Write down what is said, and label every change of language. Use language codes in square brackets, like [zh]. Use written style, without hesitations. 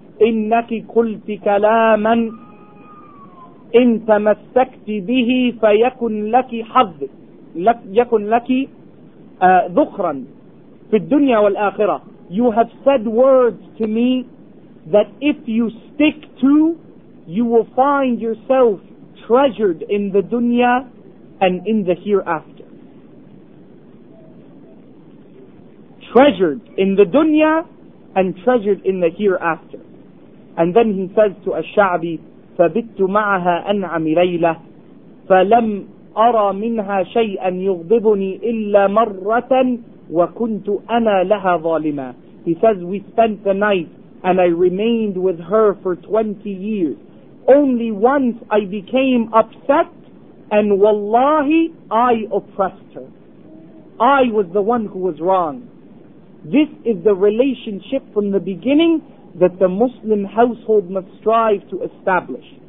[ar] إنك قلت كلاما إن تمسكت به فيكن لك حظ لك يكن لك ذخرا في الدنيا والآخرة. [en] You have said words to me that if you stick to, you will find yourself treasured in the dunya and in the hereafter. Treasured in the dunya and treasured in the hereafter. And then he says to Ash-Sha'bi, [ar] فَبِتُّ مَعَهَا أَنْعَمِ لَيْلَةِ فَلَمْ أَرَى مِنْهَا شَيْئًا يُغْضِبُنِي إِلَّا مَرَّةً وَكُنْتُ أَنَا لَهَا ظَالِمًا. [en] He says, we spent the night and I remained with her for 20 years. Only once I became upset and wallahi, I oppressed her. I was the one who was wrong. This is the relationship from the beginning that the Muslim household must strive to establish.